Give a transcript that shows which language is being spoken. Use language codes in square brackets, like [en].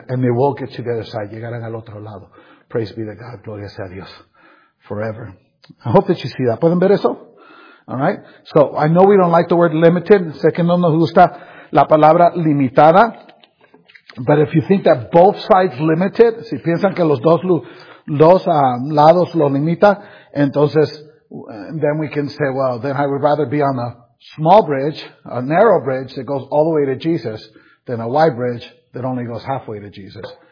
[en] And they will get to the other side. [es] Llegarán al otro lado. [en] Praise be to God. [es] Gloria sea a Dios. [en] Forever. I hope that you see that. [es] ¿Pueden ver eso? [en] All right. So, I know we don't like the word limited. [es] Sé que no nos gusta la palabra limitada. [en] But if you think that both sides limited, [es] si piensan que los dos lados lo limita, entonces, [en] then we can say, well, then I would rather be on a small bridge, a narrow bridge that goes all the way to Jesus, than a wide bridge that only goes halfway to Jesus.